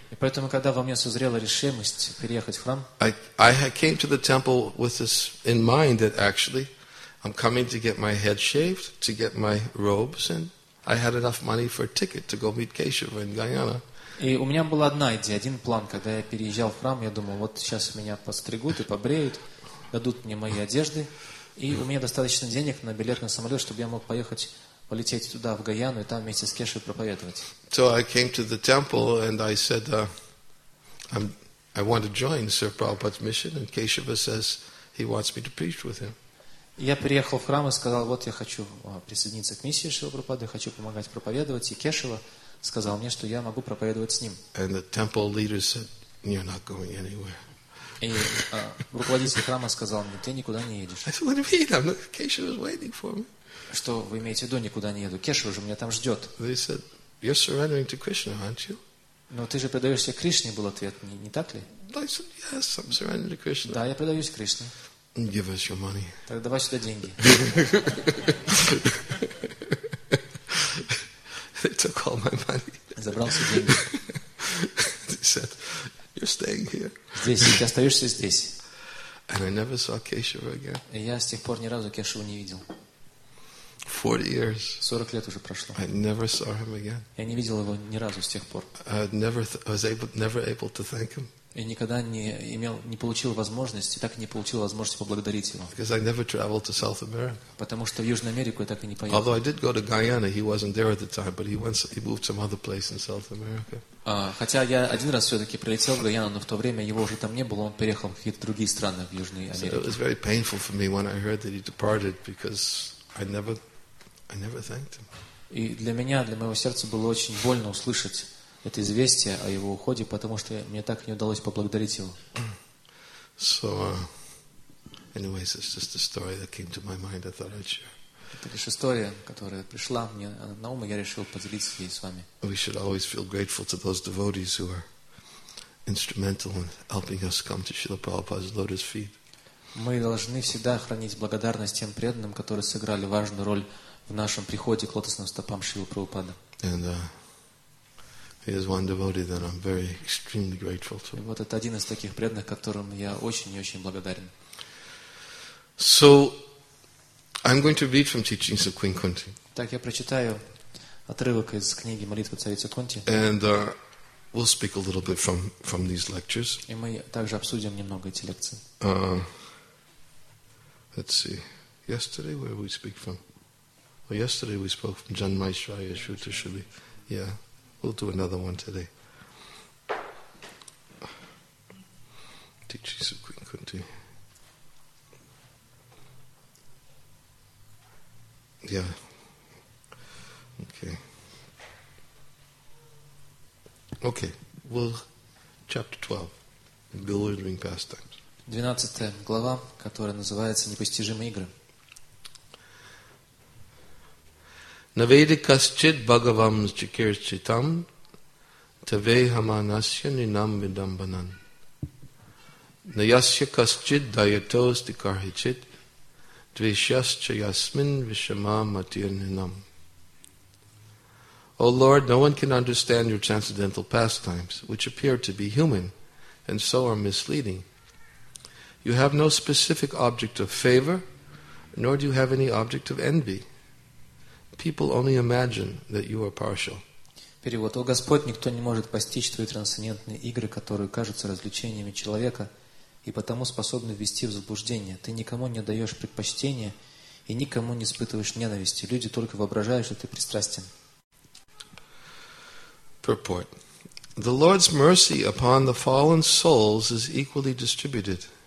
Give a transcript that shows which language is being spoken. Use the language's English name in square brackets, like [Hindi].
[Russian] и поэтому, когда во мне созрела решимость переехать в храм, [English] I came to the temple with this in mind that actually I'm coming to get my head shaved, to get my robes, and I had enough money for a ticket to go meet Keshava in Guyana. [Russian] И у меня была одна идея, один план, когда я переезжал в храм, я думал, вот сейчас меня подстригут и побреют, дадут мне мои одежды, и у меня достаточно денег на билет на самолет, чтобы я мог поехать, полететь туда, в Гайану, и там вместе с Кешей проповедовать. [English] So I came to the temple, and I said, I want to join Sir Prabhupada's mission, and Keshava says he wants me to preach with him. [Russian] Я приехал в храм и сказал, вот я хочу присоединиться к миссии Шрила Прабхупады, хочу помогать проповедовать, и Кешава сказал мне, что я могу проповедовать с ним. [English] And the temple leader said, you're not going anywhere. [Russian] И руководитель храма сказал мне, ты никуда не едешь. [English] I said, what do you mean? Кеша was waiting for me. [Russian] Что вы имеете в виду, никуда не еду? Кеша уже меня там ждет. [English] They said, you're surrendering to Krishna, aren't you? [Russian] Но ты же предаешься Кришне, был ответ, не так ли? [English] I said, yes, I'm surrendering to Krishna. [Russian] Да, я предаюсь Кришне. [English] Give us your money. [Russian] Так давай сюда деньги. [English] They took all my money. [Russian] Забрал все деньги. [English] They said, you're staying here. [Russian] Здесь, ты остаешься здесь. [English] And I never saw Keshava again. [Russian] И я с тех пор ни разу Кешеву не видел. [English] 40 years. [Russian] 40 лет уже прошло. [English] I never saw him again. [Russian] Я не видел его ни разу с тех пор. [English] I was never able to thank him. [Russian] И никогда не получил возможности, так и не получил возможности поблагодарить его. [English] Because I never traveled to South America. [Russian] Потому что в Южную Америку я так и не поехал. [English] Although I did go to Guyana, he wasn't there at the time, but he moved some other place in South America. [Russian] Хотя я один раз все-таки прилетел в Гайану, но в то время его уже там не было, он переехал в какие-то другие страны в Южной Америке. [English] So it was very painful for me when I heard that he departed, because I never thanked him. [Russian] И для меня, для моего сердца было очень больно услышать это известие о его уходе, потому что мне так и не удалось поблагодарить его. [English] So, anyways, it's just a story that came to my mind. I thought I'd share. [Russian] Это лишь история, которая пришла мне на ум, и я решил поделиться ей с вами. [English] We should always feel grateful to those devotees who are instrumental in helping us come to Srila Prabhupada's lotus feet. [Russian] Мы должны всегда хранить благодарность тем преданным, которые сыграли важную роль в нашем приходе к лотосным стопам Шрилы Прабхупады. [English] Here's one devotee that I'm very extremely grateful to. [Russian] Вот это один из таких преданных, которым я очень и очень благодарен. [English] So, I'm going to read from teachings of Queen Kunti. [Russian] Так, я прочитаю отрывок из книги «Молитвы царицы Кунти». [English] And we'll speak a little bit from these lectures. [Russian] И мы также обсудим немного эти лекции. [English] Let's see. Yesterday, where we speak from? Well, yesterday we spoke from Janmaishraya Shruta Shubhi. Yeah. We'll do another one today. Teachings of Queen Kunti. Yeah. Okay. Well, chapter 12. Bewildering pastimes. [Russian] 12 глава, которая называется «Непостижимые игры». [Sanskrit] Наведикасчит Бхагавам Чикирчитам Тавехаманасья Нинам Видамбанан Наясья Касчит Дайатос Дикархичит Двешьясча Ясмин Вишама Матир Нинам. [English] O Lord, no one can understand your transcendental pastimes, which appear to be human, and so are misleading. You have no specific object of favor, nor do you have any object of envy. People only imagine that you are partial. [Russian] Перевод. О Господь, никто не может постичь Твои трансцендентные игры, которые кажутся развлечениями человека и потому способны ввести в заблуждение. Ты никому не даешь предпочтения и никому не испытываешь ненависти. Люди только воображают, что Ты пристрастен. [English] Purport. The Lord's mercy upon the fallen souls is equally distributed.